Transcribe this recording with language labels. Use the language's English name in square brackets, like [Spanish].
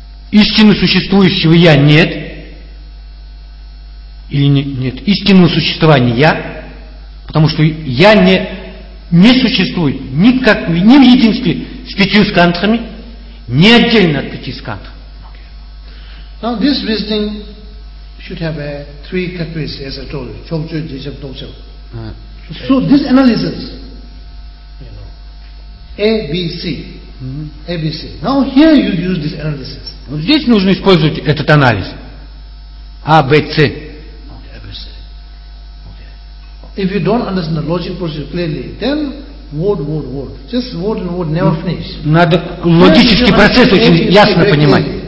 [Russian] Истины существующего я нет, или нет истинного существования я, потому что я не существует никак ни в единстве с пятью скандхами, ни отдельно от пяти скандх. [English] Okay. Now this reasoning should have three categories, as I told you: chokchu, jishab, dongshab. So this analysis, you know, A, B, C, A, B, C. Now here you use this analysis. [Russian] Вот здесь нужно использовать этот анализ. [English] A, B, C. Okay, A, B, C. Okay. If you don't understand the logic process clearly, then word. Just word and word never finish. [Russian] Надо логический процесс очень ясно понимать.